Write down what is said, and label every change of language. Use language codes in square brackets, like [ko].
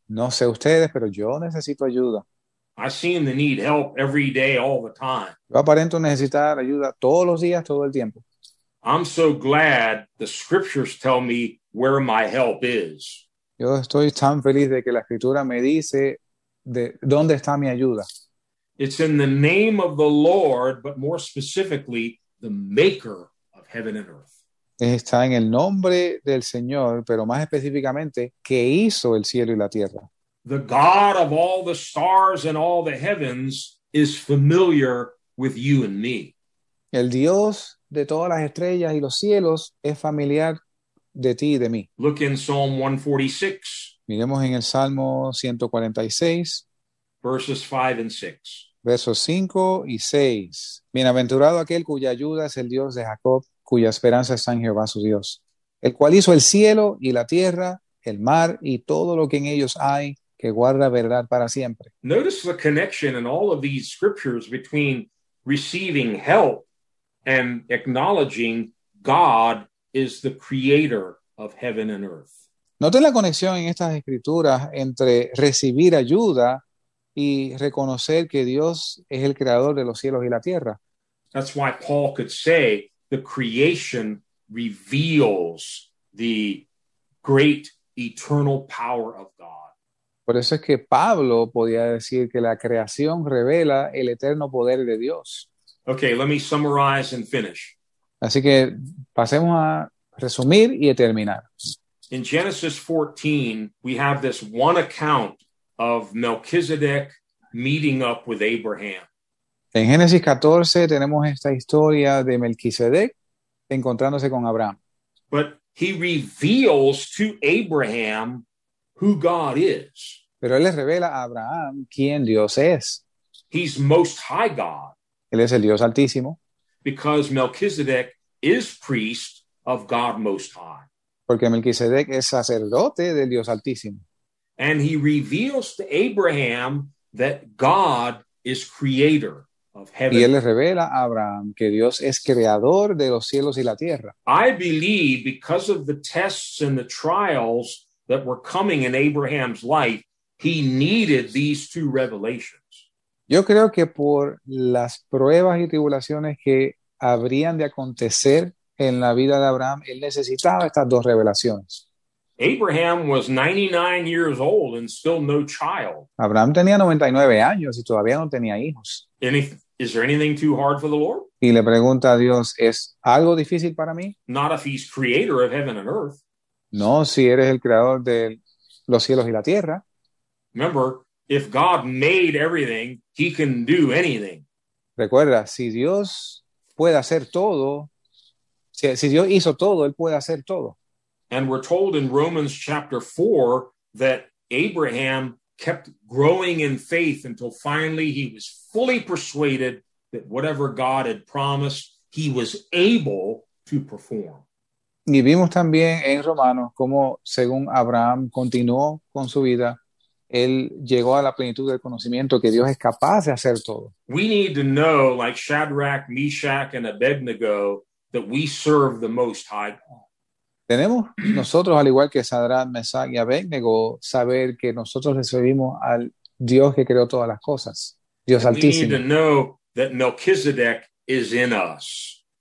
[es] No sé ustedes, pero yo necesito ayuda. [en] I seem to need help every day, all the time. [es] Yo aparento necesitar ayuda todos los días, todo el tiempo. [en] I'm so glad the scriptures tell me where my help is. [es] Yo estoy tan feliz de que la Escritura me dice de dónde está mi ayuda. [en] It's in the name of the Lord, but more specifically, the maker of heaven and earth. [es] Está en el nombre del Señor, pero más específicamente, que hizo el cielo y la tierra. [en] The God of all the stars and all the heavens is familiar with you and me. [es] El Dios de todas las estrellas y los cielos es familiar de ti y de mí. [en] Look in Psalm 146. [es] Miremos en el Salmo 146. [en] Verses 5 and 6. [es] Versos 5 y 6. Bienaventurado aquel cuya ayuda es el Dios de Jacob, cuya esperanza está en Jehová su Dios, el cual hizo el cielo y la tierra, el mar y todo lo que en ellos hay, que guarda verdad para siempre. [en] Notice the connection in all of these scriptures between receiving help and acknowledging God is the creator of heaven and earth. [es] Note la conexión en estas escrituras entre recibir ayuda y reconocer que Dios es el creador de los cielos y la tierra. [en] That's why Paul could say the creation reveals the great eternal power of God. [es] Por eso es que Pablo podía decir que la creación revela el eterno poder de Dios. [en] Okay, let me summarize and finish. [es] Así que pasemos a resumir y a terminar. [en] In Genesis 14, we have this one account of Melchizedek meeting up with Abraham. [es] En Génesis 14 tenemos esta historia de Melquisedec encontrándose con Abraham. [en] But he reveals to Abraham who God is. [es] Pero él le revela a Abraham quién Dios es. [en] He's Most High God. [es] Él es el Dios Altísimo. [en] Because Melchizedek is priest of God Most High. [es] Porque Melquisedec es sacerdote del Dios Altísimo. [en] And he reveals to Abraham that God is creator. [es] Y él le revela a Abraham que Dios es creador de los cielos y la tierra. [en] I believe because of the tests and the trials that were coming in Abraham's life, he needed these two revelations. [es] Yo creo que por las pruebas y tribulaciones que habrían de acontecer en la vida de Abraham, él necesitaba estas dos revelaciones. [en] Abraham was 99 years old and still no child. [es] Abraham tenía 99 años y todavía no tenía hijos. [en] Is there anything too hard for the Lord? [es] Y le pregunta a Dios, ¿es algo difícil para mí? [en] Not if he's creator of heaven and earth. [es] No, si eres el creador de los cielos y la tierra. [en] Remember, if God made everything, he can do anything. [es] Recuerda, si Dios puede hacer todo, si Dios hizo todo, él puede hacer todo. [en] And we're told in Romans chapter 4 that Abraham kept growing in faith until finally he was fully persuaded that whatever God had promised, he was able to perform. [es] Y vimos también en Romanos cómo, según Abraham continuó con su vida, él llegó a la plenitud del conocimiento que Dios es capaz de hacer todo. [en] We need to know, like Shadrach, Meshach, and Abednego, that we serve the Most High God. [es] Tenemos nosotros, al igual que Shadrach, Meshach y Abednego, saber que nosotros le servimos al Dios que creó todas las cosas, Dios [en] and [es] Altísimo. [en] We need to know that Melchizedek is in us.